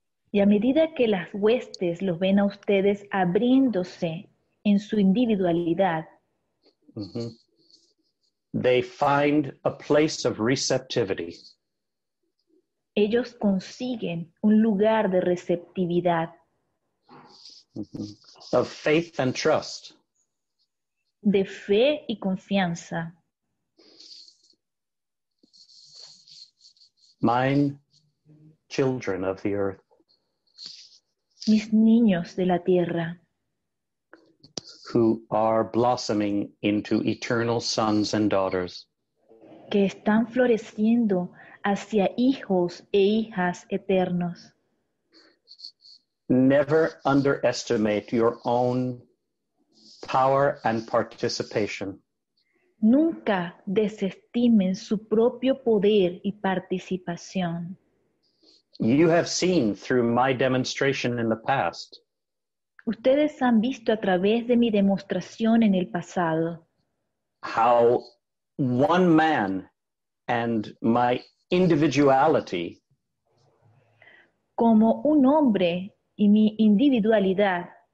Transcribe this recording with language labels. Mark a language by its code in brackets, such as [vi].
[es] y a medida que las huestes los ven a ustedes abriéndose en su individualidad, [en] mm-hmm, they find a place of receptivity. [es] Ellos consiguen un lugar de receptividad. [en] Mm-hmm. Of faith and trust. [es] De fe y confianza. [en] Mine children of the earth. [es] Mis niños de la tierra. [en] who are blossoming into eternal sons and daughters. [es] Que están floreciendo hacia hijos e hijas eternos. [en] Never underestimate your own power and participation. [es] Nunca desestimen su propio poder y participación. [en] You have seen through my demonstration in the past. [es] Ustedes han visto a través de mi demostración en el pasado. [en] How one man and my individuality. [es] Como un hombre y mi individualidad.